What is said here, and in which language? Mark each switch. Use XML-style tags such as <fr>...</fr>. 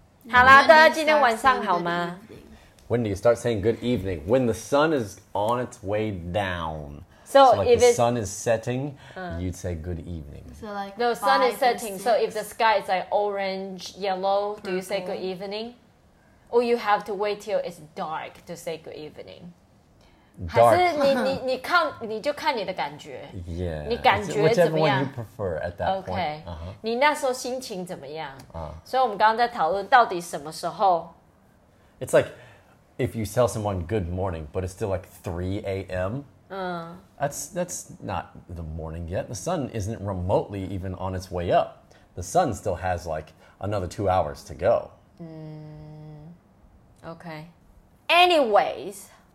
<zh>好啦，大家今天晚上好吗？</zh> <en>When do you start saying good evening? When the sun is on its way down. So if the sun is setting, you'd say good evening. So the sun is setting. So if the sky is like orange, yellow, purple. Do you say good evening? Or you have to wait till it's dark to say good evening? Dark.</en> <zh>还是你看你就看你的感觉</zh> <en>yeah,</en> <zh>你感觉怎么样</zh> <en>you prefer at that okay, point.、</en> <zh>Uh-huh. 你那时候心情怎么样、uh-huh. 所以我们刚刚在讨论到底什么时候</zh> <en>It's like if you tell someone good morning but it's still like 3 a.m.、Uh-huh. That's not the morning yet. The sun isn't remotely even on its way up. The sun still has like another 2 hours to go、 mm, Okay. Anyways</en>